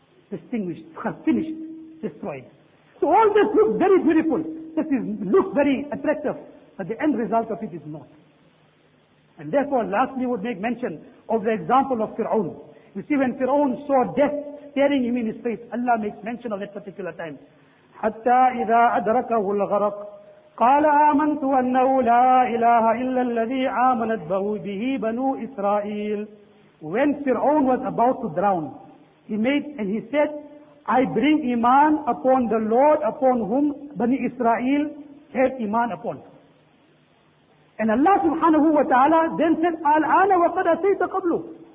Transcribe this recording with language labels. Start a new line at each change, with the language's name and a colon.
English: Distinguished, finished. Destroyed. So all this looks very beautiful. This is looks very attractive, but the end result of it is not. And therefore, lastly, would make mention of the example of Fir'aun. You see, when Fir'aun saw death staring him in his face, Allah makes mention of that particular time.
Arabic: حتى إذا أدركه الغرق قال آمنت أنه لا إله إلا الذي آمنت به بنو إسرائيل.
English: When Fir'aun was about to drown, he said. I bring iman upon the Lord upon whom Bani Israel had iman upon. And Allah subhanahu wa ta'ala then said,
Arabic: Al-ana wa qad asayta qablu.